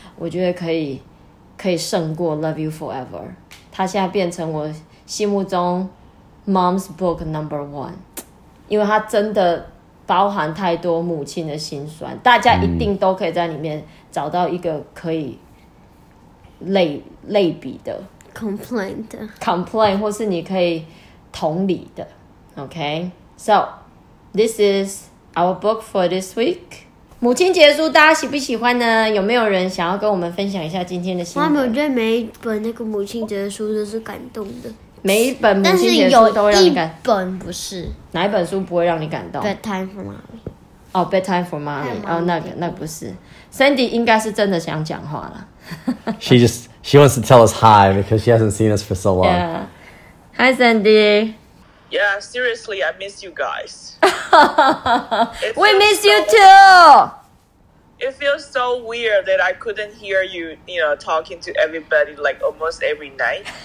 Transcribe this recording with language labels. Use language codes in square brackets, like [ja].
[zh] 觉得可以胜过 Love You Forever， 它现在变成我心目中 Mom's Book Number One， 因为它真的包含太多母亲的心酸，大家一定都可以在里面找到一个可以类比的 complain 的 complain， 或是你可以同理的。 [en] OK， so this is our book for this week。 [zh] 母亲节书大家喜不喜欢呢？有没有人想要跟我们分享一下今天的心得？妈妈，我觉得每一本那个母亲节的书都是感动的。每一本母亲节书都会让你感，但是有一本不是。哪一本书不会让你感动 [en] ？Bedtime for Mommy。 [zh] 哦 ，Bedtime for Mommy。哦，那不是。 Sandy 应该是真的想讲话了。 [en] She wants to tell us hi because she hasn't seen us for so long. Yeah. Hi, Sandy. Yeah, seriously, I miss you guys. We miss you too! It feels so weird that I couldn't hear you, you know, talking to everybody like almost every night.